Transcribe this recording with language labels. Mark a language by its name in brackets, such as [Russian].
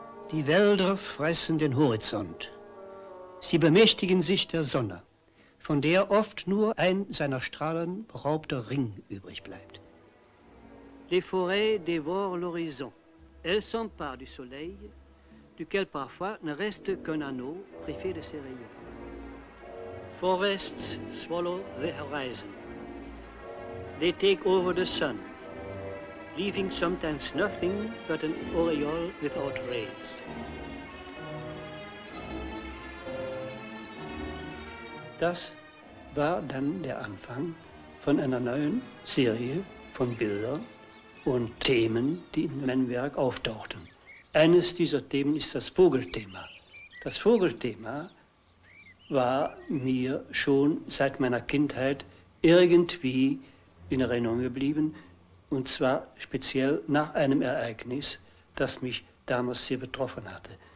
[German] Die Wälder fressen den Horizont. Sie bemächtigen sich der Sonne, von der oft nur ein seiner Strahlen beraubter Ring übrig bleibt. [French] Les forêts dévorent l'horizon. Elles s'emparent du soleil, duquel parfois ne reste qu'un anneau privé de ses rayons. [English] Forests swallow the horizon. They take over the sun, leaving sometimes nothing but an aureole without rays. [German] Das war dann der Anfang von einer neuen Serie von Bildern und Themen, die in meinem Werk auftauchten. Eines dieser Themen ist das Vogelthema. Das Vogelthema war mir schon seit meiner Kindheit irgendwie in Erinnerung geblieben, und zwar speziell nach einem Ereignis, das mich damals sehr betroffen hatte.